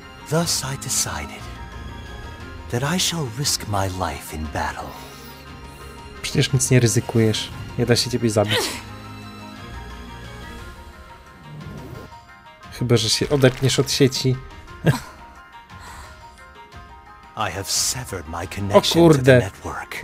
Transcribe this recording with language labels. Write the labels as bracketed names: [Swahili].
[English] Thus I decided that I shall risk my life in battle. [Polish] Przecież nic nie ryzykujesz. Nie da się ciebie zabić. Chyba że się odetniesz od sieci. [English] I have severed my connection to the network.